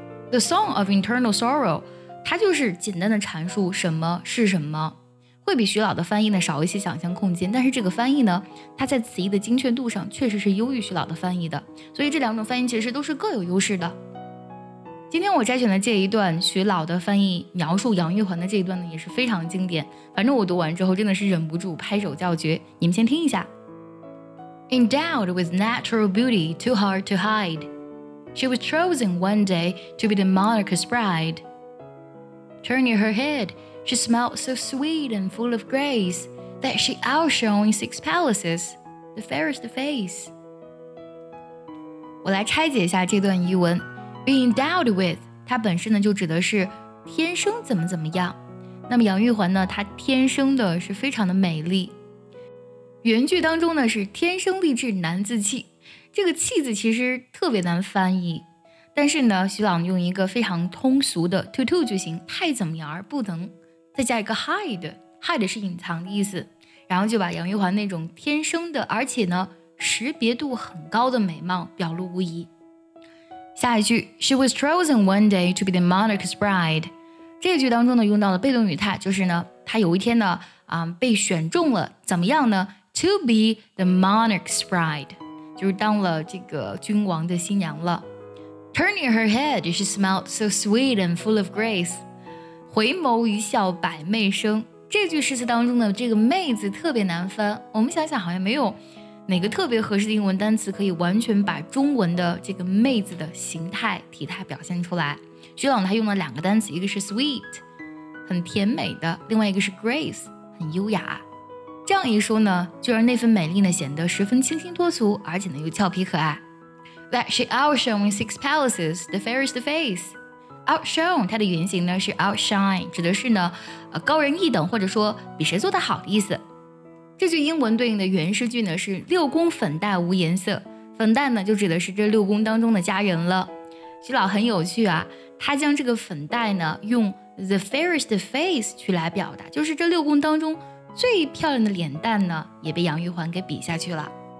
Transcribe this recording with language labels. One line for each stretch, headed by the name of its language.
Chinese: The Song of Internal Sorrow， 它就是简单的阐述什么是什么，会比徐老的翻译呢少一些想象空间，但是这个翻译呢，它在词义的精确度上确实是优于徐老的翻译的，所以这两种翻译其实都是各有优势的。今天我摘选的这一段徐老的翻译描述杨玉环的这一段呢，也是非常经典，反正我读完之后真的是忍不住拍手叫绝，你们先听一下。
English: Endowed with natural beauty too hard to hideShe was chosen one day to be the monarch's bride. Turning her head, she smelled so sweet and full of grace that she outshone in six palaces, the fairest face.
Chinese: 我来拆解一下这段译文。
English: Being endowed with,
Chinese: 它本身呢就指的是天生怎么怎么样。那么杨玉环呢，她天生的是非常的美丽。原句当中呢是天生丽质难自弃。这个弃字其实特别难翻译，但是呢，徐朗用一个非常通俗的 to 句型，太怎么样而不能，再加一个 hide 是隐藏的意思，然后就把杨玉环那种天生的而且呢识别度很高的美貌表露无遗。下一句
English: She was chosen one day to be the monarch's bride，
Chinese: 这句当中呢用到了被动语态，就是呢她有一天呢被选中了，怎么样呢？
English: To be the monarch's bride，
Chinese: 就是当了这个君王的新娘了。
English: Turning her head, she smelled so sweet and full of grace.
Chinese: 回眸一笑百媚生，这句诗词当中的这个媚字特别难翻，我们想想好像没有哪个特别合适的英文单词可以完全把中文的这个媚字的形态体态表现出来。徐朗他用了两个单词，一个是 sweet， 很甜美的，另外一个是 grace， 很优雅。这样一说呢，就让那份美丽呢显得十分清新脱俗，而且呢又俏皮可爱。
English: That she outshone in six palaces the fairest face.
Chinese: Outshone 它的原型呢是 outshine， 指的是呢高人一等，或者说比谁做得好的意思。这句英文对应的原诗句呢是六宫粉黛无颜色，粉黛呢就指的是这六宫当中的佳人了。徐老很有趣啊，他将这个粉黛呢用
English: the fairest face
Chinese: 去来表达，就是这六宫当中最漂亮的脸蛋呢也被杨玉环给比下去了。